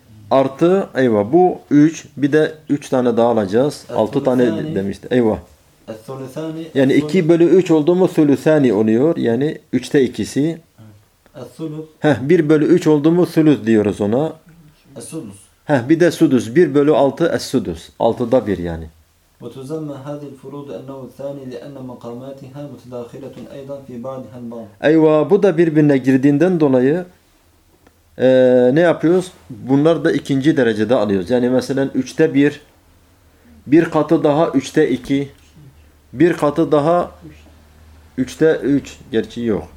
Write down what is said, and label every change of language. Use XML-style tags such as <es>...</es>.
<tr>Artı, eyvah, bu 3. Bir de 3 tane daha alacağız. 6 tane demişti. Eyvah.</tr> <ar>Es-sulusani,</ar> <tr>yani 2 bölü 3 oldu mu sulusani oluyor. Yani 3'te 2'si.</tr> <ar>Es-sulus.</ar> <tr>Heh, 1 bölü 3 oldu mu sulus diyoruz ona.</tr> <ar>Es-sulus.</ar> <tr>Heh, bir de sudus. 1 bölü 6 es-sudus. 6'da 1 yani.</tr> <ar>وتزمى هذه الفروض انه الثاني لان مقاماتها متداخله ايضا في بعضها البعض.</ar> <tr>Eyvah, bu da birbirine girdiğinden dolayı ne yapıyoruz? Bunları da ikinci derecede alıyoruz. Yani mesela 3'te 1, bir katı daha 3'te 2, bir katı daha 3'te 3. Gerçi yok.</tr>